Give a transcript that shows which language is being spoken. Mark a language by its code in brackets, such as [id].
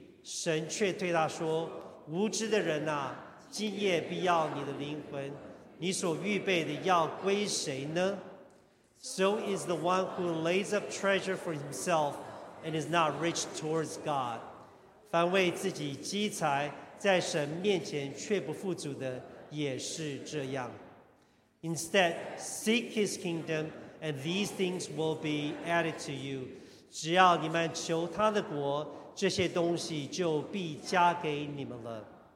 [zh] 神却对他说，无知的人啊，今夜必要你的灵魂，你所预备的要归谁呢？ [en] So is the one who lays up treasure for himself and is not rich towards God. [zh] 凡为自己积财，在神面前却不富足的，也是这样。 [en] Instead, seek his kingdom, and these things will be added to you. [zh] 只要你们求他的国，这些东西就必加给你们了。